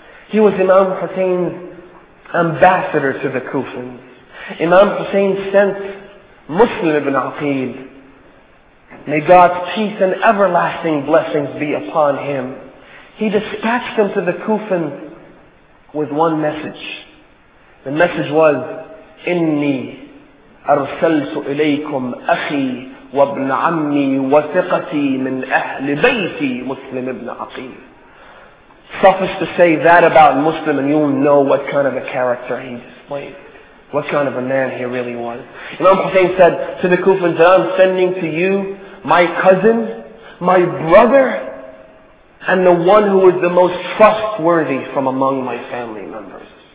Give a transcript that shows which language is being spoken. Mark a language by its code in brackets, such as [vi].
[en] He was Imam Hussein's ambassador to the Kufans. Imam Hussein sent Muslim ibn Aqid. May God's peace and everlasting blessings be upon him. He dispatched them to the Kufan with one message. The message was, [ar] إِنِّي أَرْسَلْتُ إِلَيْكُمْ أَخِي وَابْنَ عَمِّي وَثِقَتِي مِنْ أَهْلِ بَيْتِي مُسْلِمْ ابْن عَقِيمٍ. [en] Suffice to say that about Muslim, and you'll know what kind of a character he displayed, what kind of a man he really was. Imam Hussein said to the Kufans, I'm sending to you my cousin, my brother, and the one who is the most trustworthy from among my family members.